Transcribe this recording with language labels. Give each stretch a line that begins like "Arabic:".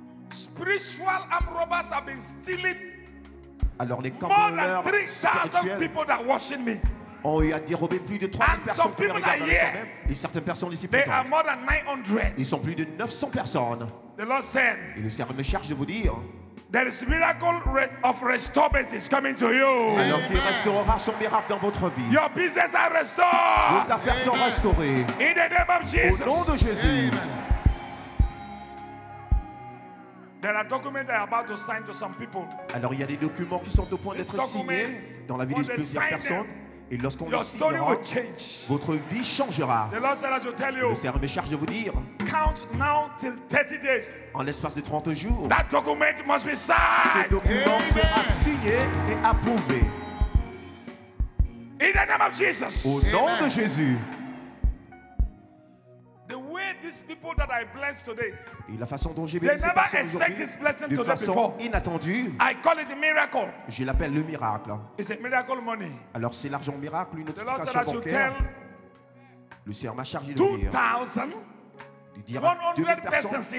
English: spiritual arm robbers have been stealing.
French: Alors les cambrioleurs spirituels.
English: People that watching me.
French: Ont eu à dérober plus de 3000 personnes qui regardent le même. Et certaines personnes ici présentes.
English: They are more than 900.
French: Ils sont plus de 900 personnes.
English: The Lord said.
French: Et le Seigneur me charge de vous dire.
English: There is a miracle of restorement is coming to you.
French: Alors qu'il restaurera son miracle dans votre vie.
English: Your business are restored.
French: Vos affaires sont restaurées.
English: In the name of Jesus.
French: Au nom de Jésus.
English: There are documents that are about to sign to some people.
French: Alors il y a des documents qui sont au point d'être signés dans la vie de plusieurs personnes. Et lorsqu'on
English: your
French: les signera,
English: story will change.
French: Votre vie changera.
English: The Lord said, I'll tell you,
French: le Seigneur me charge de vous dire.
English: Count now till 30 days.
French: En l'espace de 30 jours.
English: That document must be signed.
French: Ce document Amen. Sera signé et approuvé.
English: In the name of Jesus.
French: Au nom Amen. De Jésus.
English: The way these people that I bless today.
French: Et la façon dont j'ai bénis ces personnes aujourd'hui. De façon inattendue.
English: I call it a miracle.
French: Je l'appelle le miracle.
English: It's a miracle money.
French: Alors c'est l'argent miracle, une notification bancaire. Le Seigneur m'a chargé de dire.
English: 2000.
French: De dire 100 personnes.